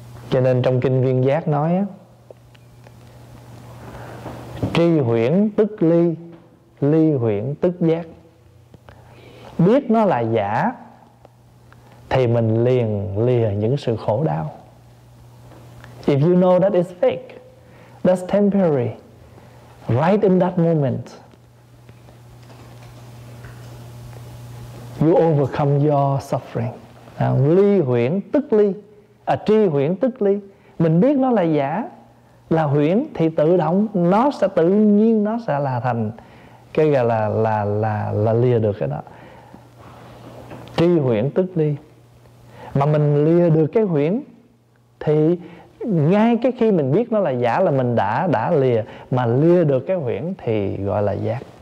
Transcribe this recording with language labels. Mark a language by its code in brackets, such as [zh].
[vi] Cho nên trong kinh Viên Giác nói á, tri huyễn tức ly, ly huyễn tức giác. Biết nó là giả thì mình liền lìa những sự khổ đau. [en] If you know that it's fake, that's temporary, right in that moment, you overcome your suffering. [vi] Ly huyễn tức ly, tri huyễn tức ly. Mình biết nó là giả, là huyễn, thì tự động nó sẽ tự nhiên nó sẽ là thành cái gọi là lìa được cái đó. Tri huyễn tức ly, mà mình lìa được cái huyễn thì ngay cái khi mình biết nó là giả là mình đã lìa, mà lìa được cái huyễn thì gọi là giác.